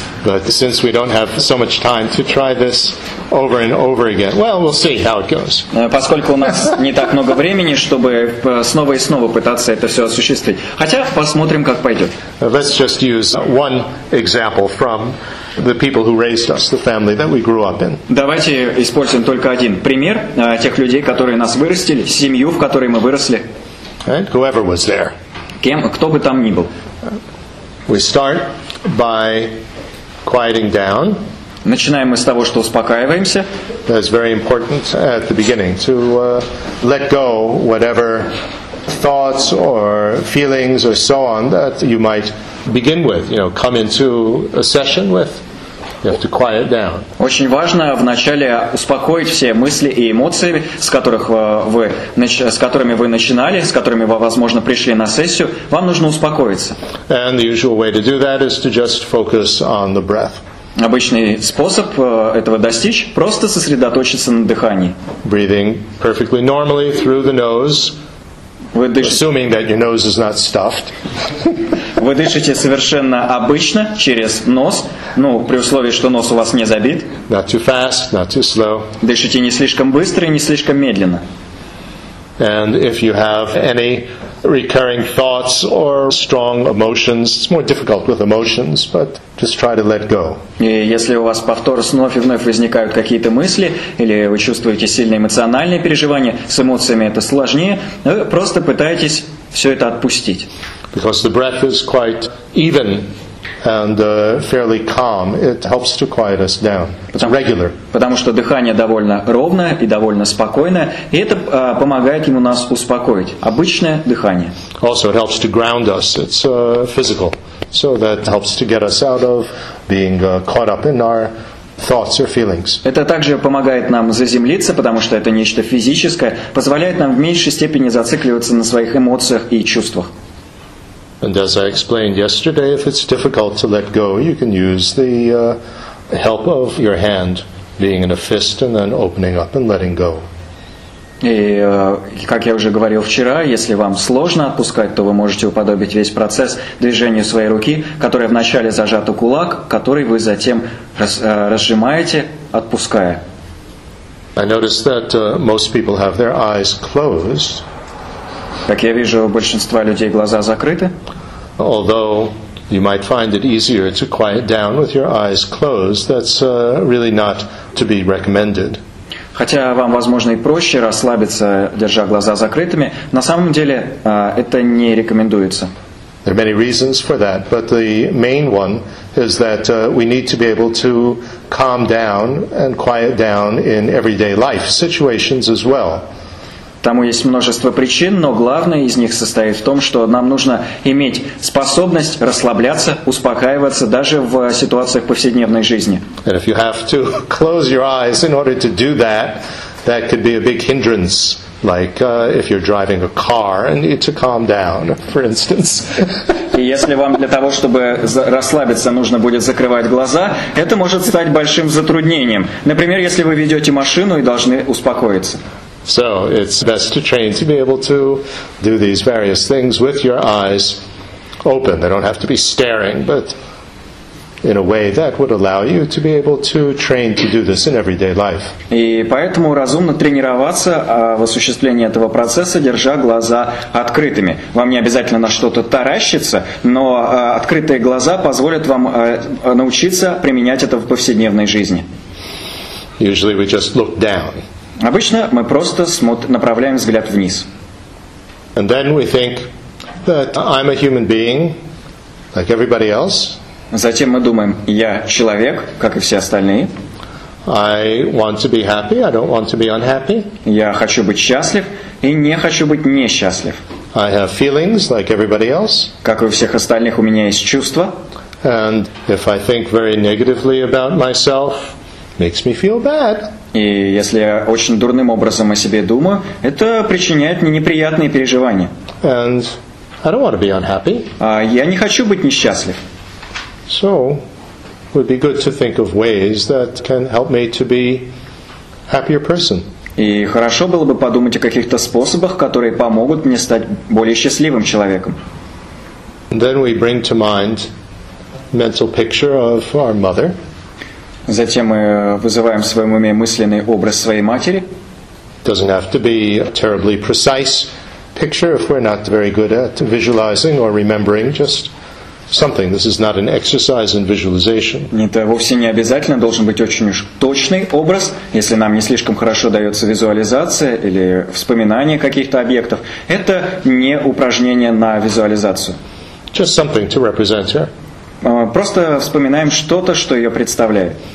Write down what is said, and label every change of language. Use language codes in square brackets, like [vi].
[en] But since we don't have so much time to try this over and over again, well, we'll see how it goes. [ru] Поскольку у нас не так много времени, чтобы снова и снова пытаться это все осуществить, хотя посмотрим, как пойдет. [en] Let's just use one example from the people who raised us, the family that we grew up in. [ru] Давайте используем только один пример тех людей, которые нас вырастили, семью, в которой мы выросли. [en] And whoever was there. [ru] Кем, кто бы там ни был. [en] We start by quieting down. [ru] Начинаем мы с того, что успокаиваемся. [en] That's very important at the beginning to let go whatever thoughts or feelings or so on that you might begin with, you know, come into a session with. You have to quiet down. [ru] Очень важно вначале успокоить все мысли и эмоции, с которыми вы начинали, с которыми вы, возможно, пришли на сессию. Вам нужно успокоиться. [en] And the usual way to do that is to just focus on the breath. [ru] Обычный способ этого достичь – просто сосредоточиться на дыхании. [en] Breathing perfectly normally through the nose. [ru] Вы дышите, [en] assuming that your nose is not stuffed. [ru] Вы дышите совершенно обычно через нос, ну, при условии, что нос у вас не забит. [en] Not too fast, not too slow. [ru] Дышите не слишком быстро и не слишком медленно. [en] And if you have any recurring thoughts or strong emotions, it's more difficult with emotions, but just try to let go. [ru] И если у вас повтор снова и вновь возникают какие-то мысли, или вы чувствуете сильные эмоциональные переживания, с эмоциями это сложнее, вы просто пытаетесь все это отпустить. [en] Because the breath is quite even and fairly calm, it helps to quiet us down. It's regular. [ru] Потому что дыхание довольно ровное и довольно спокойное, и это помогает ему нас успокоить. Обычное дыхание. [en] Also, it helps to ground us. It's physical, so that helps to get us out of being caught up in our thoughts or feelings. [ru] Это также помогает нам заземлиться, потому что это нечто физическое, позволяет нам в меньшей степени зацикливаться на своих эмоциях и чувствах. [en] And as I explained yesterday, if it's difficult to let go, you can use the help of your hand being in a fist and then opening up and letting go. [ru] И, как я уже говорил вчера, если вам сложно отпускать, то вы можете уподобить весь процесс движению своей руки, которая вначале зажата кулак, который вы затем разжимаете, отпуская. [en] I noticed that most people have their eyes closed. [ru] Как я вижу, у большинства людей глаза закрыты. [en] Although you might find it easier to quiet down with your eyes closed, that's really not to be recommended. [ru] Хотя вам, возможно, и проще расслабиться, держа глаза закрытыми, на самом деле это не рекомендуется. [en] There are many reasons for that, but the main one is that we need to be able to calm down and quiet down in everyday life situations as well. [ru] Тому есть множество причин, но главное из них состоит в том, что нам нужно иметь способность расслабляться, успокаиваться даже в ситуациях повседневной жизни. [en] And if you have to close your eyes in order to do that, that could be a big hindrance. Like if you're driving a car and need to calm down, for instance. [ru] И если вам для того, чтобы расслабиться, нужно будет закрывать глаза, это может стать большим затруднением. Например, если вы ведете машину и должны успокоиться. [en] So it's best to train to be able to do these various things with your eyes open. They don't have to be staring, but in a way that would allow you to be able to train to do this in everyday life. [ru] И поэтому разумно тренироваться в осуществлении этого процесса, держа глаза открытыми. Вам не обязательно на что-то таращиться, но открытые глаза позволят вам научиться применять это в повседневной жизни. [en] Usually we just look down. [ru] Обычно мы просто направляем взгляд вниз. [en] And then we think that I'm a human being like everybody else. [ru] Затем мы думаем, я человек, как и все остальные. [en] I want to be happy, I don't want to be unhappy. [ru] Я хочу быть счастлив и не хочу быть несчастлив. [en] I have feelings like everybody else. [ru] Как и у всех остальных, у меня есть чувства. [en] And if I think very negatively about myself, makes me feel bad. [ru] И если я очень дурным образом о себе думаю, это причиняет мне неприятные переживания. [en] And I don't want to be unhappy. [ru] Я не хочу быть несчастлив. [en] So, it would be good to think of ways that can help me to be a happier person. [ru] И хорошо было бы подумать о каких-то способах, которые помогут мне стать более счастливым человеком. [en] And then we bring to mind a mental picture of our mother. [ru] Затем мы вызываем в своем уме мысленный образ своей матери. [en] Doesn't have to be a terribly precise picture if we're not very good at visualizing or remembering, just something. This is not an exercise in visualization. [ru] Это вовсе не обязательно должен быть очень уж точный образ, если нам не слишком хорошо дается визуализация или вспоминание каких-то объектов. Это не упражнение на визуализацию. [en] Just something to represent her. [ru] Просто вспоминаем что-то, что ее представляет.